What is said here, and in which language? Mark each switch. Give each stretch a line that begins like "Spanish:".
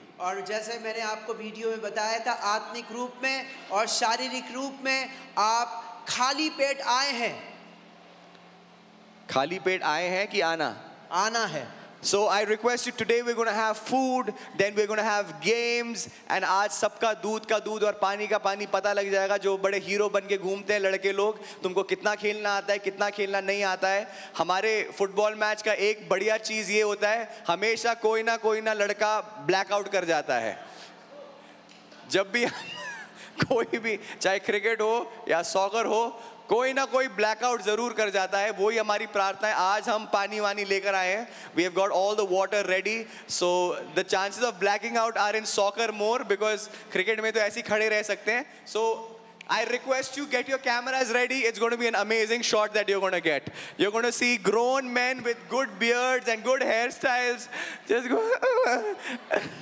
Hindi: और जैसे मैंने आपको वीडियो में बताया था, आत्मिक रूप में और शारीरिक रूप में आप खाली पेट आए हैं. खाली पेट आए हैं कि आना? आना है.
English: So I request you, today we're going to have food, then we're going to have games, and
Hindi: aaj sabka doodh ka doodh aur pani ka pani pata lag jayega. Jo bade hero banke ghoomte hain ladke log, tumko kitna khelna aata hai kitna khelna nahi aata hai. Hamare football match ka ek badhiya cheez ye hota hai, hamesha koi na ladka blackout kar jata hai. Jab bhi koi bhi, chahe cricket ho ya soccer ho, कोई ना कोई blackout जरूर कर जाता है. वही हमारी प्रार्थना है. आज हम पानी वानी लेकर आए हैं.
English: we have got all the water ready, so the chances of blacking out are in soccer more, because
Hindi: cricket में तो ऐसे ही खड़े रह सकते हैं.
English: So I request you, get your cameras ready. It's going to be an amazing shot that you are going to get. You are going to see grown men with good beards and good hair styles just go.